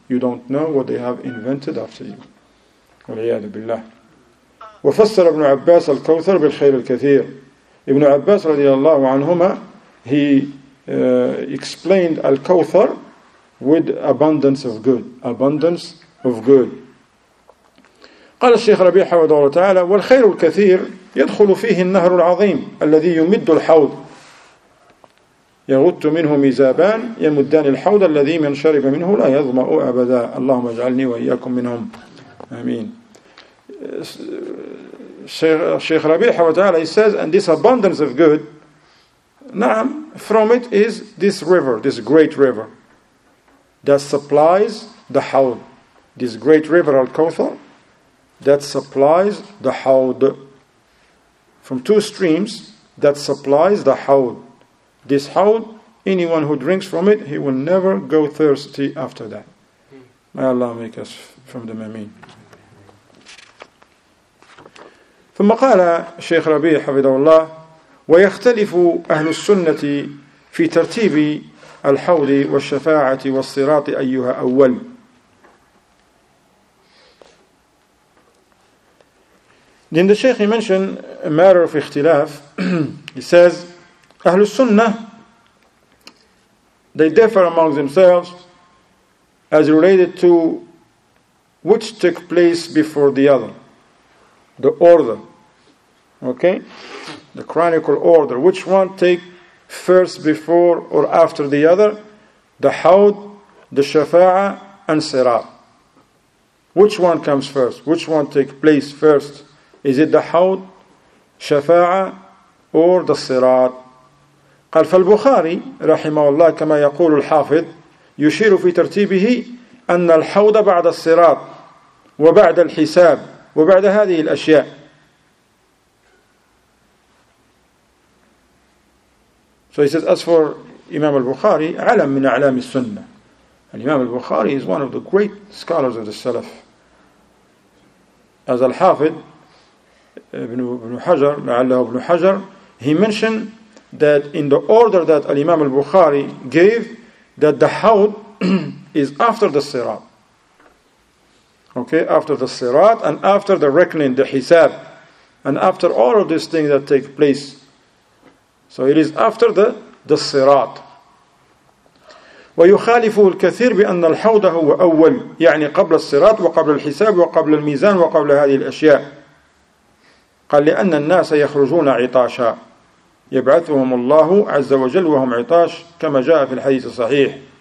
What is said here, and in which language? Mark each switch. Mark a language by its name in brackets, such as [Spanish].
[English] You don't know what they have invented after you. [Arabic] وَلِيَادُ بِاللَّهِ. وَفَسَّرَ ابْنُ عَبَّاسَ الْكَوْثَرَ بِالْخَيْرِ الْكَثِيرِ. [English] Ibn Abbas radiallahu anhuma, he explained Al-Kawthar with abundance of good. Abundance of good. [Arabic] قال الشيخ ربيع حفظه الله تعالى والخير الكثير يدخل فيه النهر العظيم الذي يمد الحوض يغط منه ميزابان يمدان الحوض الذي من شرب منه لا يظمأ أبدا اللهم اجعلني وإياكم منهم آمين. [English] Shaykh Rabi, he says, and this abundance of good, na'am, from it is this river, this great river, that supplies the Hawd. This great river, Al-Kawthar, that supplies the Hawd. From two streams, that supplies the Hawd. This Hawd, anyone who drinks from it, he will never go thirsty after that. May Allah make us from them, ameen. [Arabic] ثم قال الشيخ ربيع حفظه الله ويختلف أهل السنة في ترتيب الحوض والشفاعة والصراط أيها أول. [English] Then the Sheikh mentioned a matter of اختلاف. He says [Arabic] أهل السنة [English] they differ among themselves as related to which took place before the other, the order. Okay, the chronicle order. Which one take first before or after the other? The Hawd, the Shafa'a, and Sirat. Which one comes first? Which one take place first? Is it the Hawd, Shafa'a, or the Sirat? [Arabic] قال فالبخاري رحمه الله كما يقول الحافظ يشير في ترتيبه أن الحوض بعد الصراط وبعد الحساب وبعد هذه الأشياء. [English] So he says, as for Imam al-Bukhari, [Arabic] alam min alam al-sunnah. [English] And Imam al-Bukhari is one of the great scholars of the Salaf. As al-Hafid, Ibn Hajar, he mentioned that in the order that Imam al-Bukhari gave, that the Hawd is after the Sirat. Okay, after the Sirat and after the reckoning, the Hisab. And after all of these things that take place, so it is after the Sirat. [Arabic] ويخالف الكثير بأن الحوض هو أول يعني قبل الصراط وقبل الحساب وقبل الميزان وقبل هذه الأشياء. قال لأن الناس يخرجون عطاشا يبعثهم الله عز وجل وهم عطاش كما جاء في الحديث الصحيح.